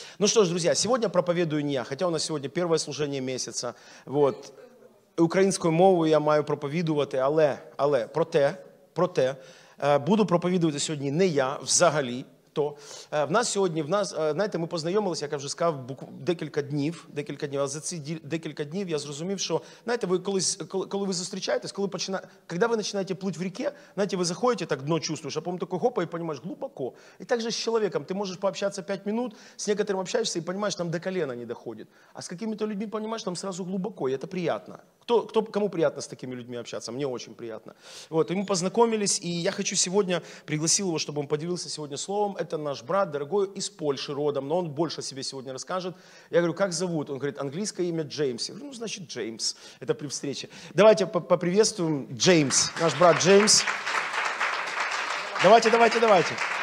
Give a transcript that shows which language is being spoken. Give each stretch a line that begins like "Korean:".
Russian: Ну что ж, друзья, сегодня проповедую не я, хотя у нас сегодня первое служение месяца. Вот.
Ukrainian: Українською мовою я маю проповідувати, але, проте, буду проповідувати сьогодні не я, взагалі, то в нас сьогодні, знаєте, ми познайомилися, як я вже сказав, декілька днів, а за ці декілька днів я зрозумів, що, знаєте, ви коли ви зустрічаєтесь, коли ви починаєте плути в ріке, знаєте, ви заходите, так дно чувствуєш, а потім такий хопа, і розумієш, глибоко. І так же з чоловіком, ти можеш пообщатися 5 хвилин, з некоторим общаєшся, і розумієш, там до колена не доходить. А з якими-то людьми, розумієш, там сразу глибоко, і це приємно. Кому приємно з такими людьми общатися? Мені дуже приємно. Вот, і ми познайомились, і я хочу сьогодні, пригласив його, щоб він поділився сьогодні словом.
Russian: Это наш брат, дорогой, из Польши родом, но он больше о себе сегодня расскажет. Я говорю, как зовут? Он говорит, английское имя Джеймс. Я говорю, ну, значит, Джеймс. Это при встрече. Давайте поприветствуем Джеймс, наш брат Джеймс. Давайте.